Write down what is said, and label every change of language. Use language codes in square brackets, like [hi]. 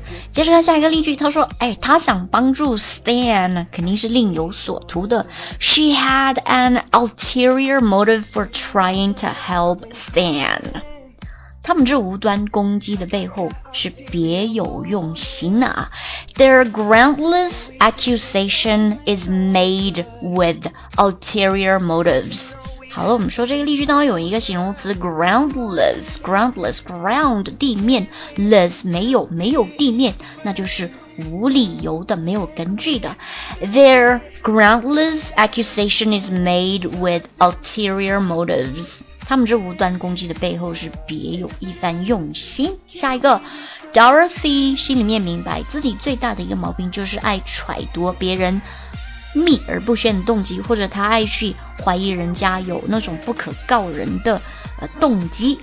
[zh] 接着看下一个例句，他说哎，他想帮助 Stan 肯定是另有所图的。 [en] She had an ulterior motive for trying to help Stan. [zh] 他们这无端攻击的背后是别有用心啊。 [en] Their groundless accusation is made with ulterior motives. [zh] 好了，我们说这个例句当中有一个形容词 groundless, groundless, ground, 地面 less, 没有，没有地面，那就是无理由的，没有根据的。 [en] Their groundless accusation is made with ulterior motives. [zh] 他们这无端攻击的背后是别有一番用心。下一个Dorothy 心里面明白自己最大的一个毛病就是爱揣度别人秘而不宣的动机，或者她爱去怀疑人家有那种不可告人的动机。